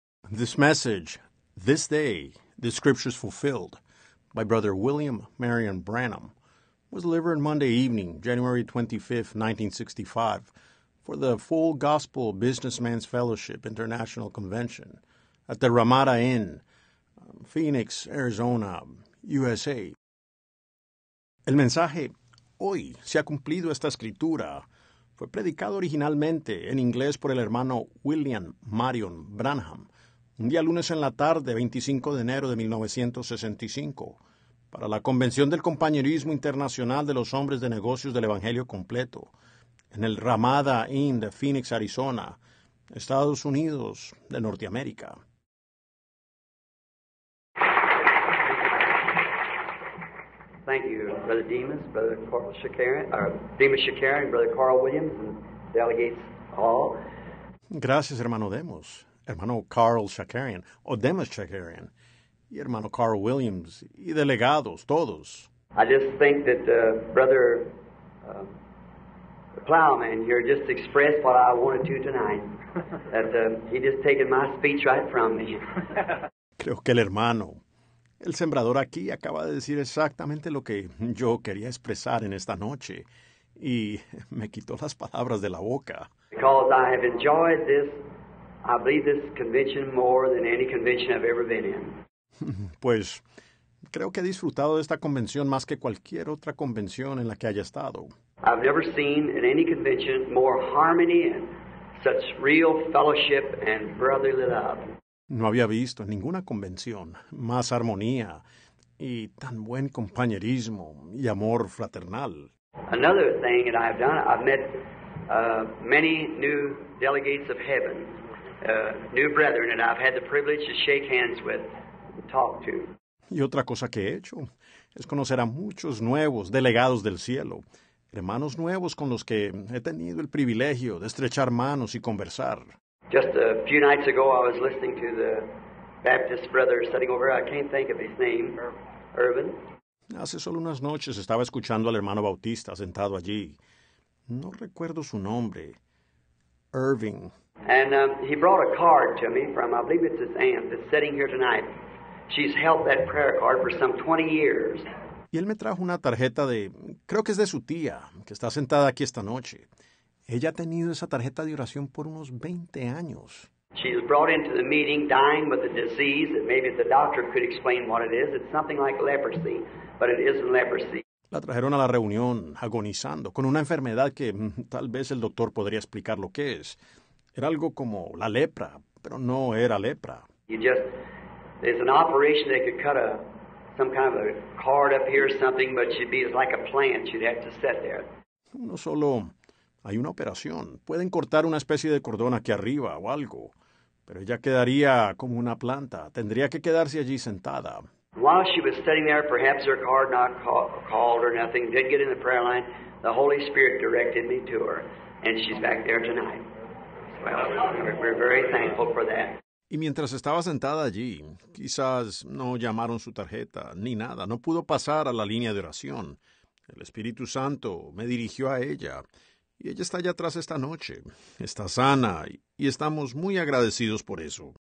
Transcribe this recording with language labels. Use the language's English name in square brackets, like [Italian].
[English] This message, This Day, the Scriptures Fulfilled, by Brother William Marion Branham, was delivered Monday evening, January 25, 1965, for the Full Gospel Businessman's Fellowship International Convention at the Ramada Inn, Phoenix, Arizona, USA. [Spanish] El mensaje, Hoy se ha cumplido esta escritura, fue predicado originalmente en inglés por el hermano William Marion Branham, un día lunes en la tarde, 25 de enero de 1965, para la Convención del Compañerismo Internacional de los Hombres de Negocios del Evangelio Completo, en el Ramada Inn de Phoenix, Arizona, Estados Unidos de Norteamérica. [English] Thank you, Brother Demas, Brother Carl Shakarin, Demas Shakarin, Brother Carl Williams, and delegates all. [Spanish] Gracias, hermano Demas. Hermano Carl Shakarian, o Demas Shakarian, y hermano Carl Williams, y delegados, todos. [English] I just think that Brother Plowman here just expressed what I wanted to tonight. That he just taken my speech right from me. [Spanish] Creo que el hermano, el sembrador aquí, acaba de decir exactamente lo que yo quería expresar en esta noche, y me quitó las palabras de la boca. [English] Because I have enjoyed this. I believe this convention more than any convention I've ever been in. [Spanish] Pues, creo que he disfrutado de esta convención más que cualquier otra convención en la que haya estado. [English] I've never seen in any convention more harmony and such real fellowship and brotherly love. [Spanish] No había visto en ninguna convención más armonía y tan buen compañerismo y amor fraternal. [English] Another thing that I've done, I've met many new delegates of heaven. New brethren, and I've had the privilege to shake hands with and talk to. [Spanish] Y otra cosa que he hecho es conocer a muchos nuevos delegados del cielo, hermanos nuevos con los que he tenido el privilegio de estrechar manos y conversar. [English] Just a few nights ago, I was listening to the Baptist brother sitting over. I can't think of his name. Irvin. [Spanish] Hace solo unas noches estaba escuchando al hermano Bautista sentado allí. No recuerdo su nombre. Irving. [English] And he brought a card to me from, I believe it's his aunt, that's sitting here tonight. She's held that prayer card for some 20 years. [Spanish] Y él me trajo una tarjeta de, creo que es de su tía, que está sentada aquí esta noche. Ella ha tenido esa tarjeta de oración por unos 20 años. [English] She's brought into the meeting dying with a disease that maybe the doctor could explain what it is. It's something like leprosy, but it isn't leprosy. [Spanish] La trajeron a la reunión agonizando con una enfermedad que tal vez el doctor podría explicar lo que es. Era algo como la lepra, pero no era lepra. [English] There's an operation that could cut some kind of a card up here or something, but she'd be like a plant. She'd have to sit there. [Spanish] No solo hay una operación. Pueden cortar una especie de cordón aquí arriba o algo, pero ella quedaría como una planta. Tendría que quedarse allí sentada. [English] While she was sitting there, perhaps her card not called or nothing, did get in the prayer line, the Holy Spirit directed me to her, and she's back there tonight. Well, we're very thankful for that. [Spanish] Y mientras estaba sentada allí, quizás no llamaron su tarjeta ni nada. No pudo pasar a la línea de oración. El Espíritu Santo me dirigió a ella. Y ella está allá atrás esta noche. Está sana y estamos muy agradecidos por eso.